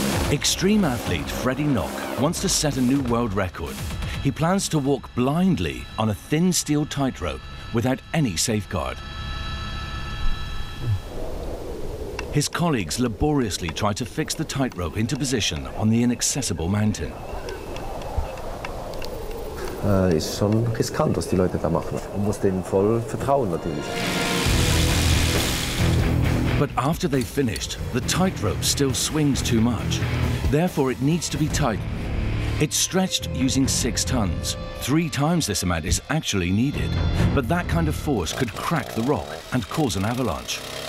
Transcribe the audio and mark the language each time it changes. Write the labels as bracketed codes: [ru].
[en] Extreme athlete Freddy Nock wants to set a new world record. He plans to walk blindly on a thin steel tightrope without any safeguard. His colleagues laboriously try to fix the tightrope into position on the inaccessible mountain. [de] Ist schon riskant, was die Leute da machen. Man muss denen voll vertrauen, natürlich. [en] But after they finished, the tightrope still swings too much. Therefore, it needs to be tightened. It's stretched using 6 tons. 3 times this amount is actually needed. But that kind of force could crack the rock and cause an avalanche.